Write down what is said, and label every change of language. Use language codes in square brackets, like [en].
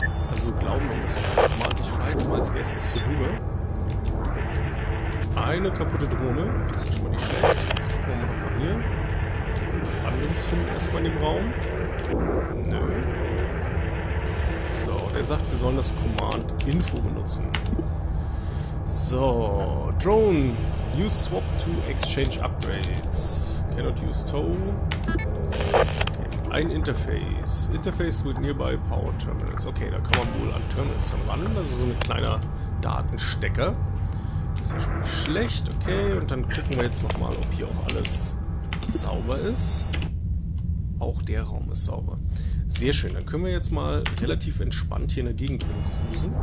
[de] Also glauben wir das mal. Ich fahre jetzt mal als erstes hier rüber. Eine kaputte Drohne. Das ist schon mal nicht schlecht. Jetzt gucken wir mal hier. Was anderes finden erstmal in dem Raum. Nö. So, der sagt, wir sollen das Command Info benutzen. [en] So, Drone, use swap to exchange upgrades. Cannot use tow. Okay, ein Interface. Interface with nearby power terminals. [de] Okay, da kann man wohl an Terminals dann ran. Also so ein kleiner Datenstecker. Ist ja schon nicht schlecht. Okay, und dann gucken wir jetzt nochmal, ob hier auch alles sauber ist. Auch der Raum ist sauber. Sehr schön, dann können wir jetzt mal relativ entspannt hier in der Gegend rumcruisen.